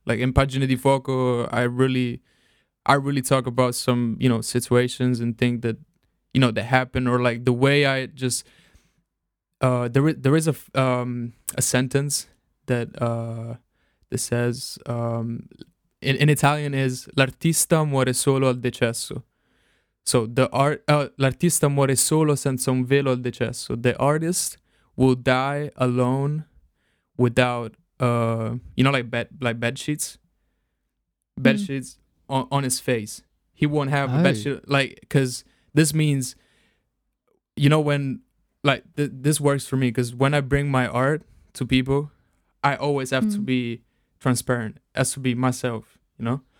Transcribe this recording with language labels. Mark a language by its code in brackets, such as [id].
[en] Like in Pagine di Fuoco, I really talk about some, you know, situations and think that, you know, that happened, or like the way I just there is a sentence that that says in Italian is [it] l'artista muore solo al decesso. [en] So the art [it] l'artista muore solo senza un velo al decesso. [en] The artist will die alone without you know, like bed sheets. Bed sheets on his face. He won't have a bed sheet, like, cause this means, you know, when, like, this works for me, because when I bring my art to people, I always have to be transparent, has to be myself, you know?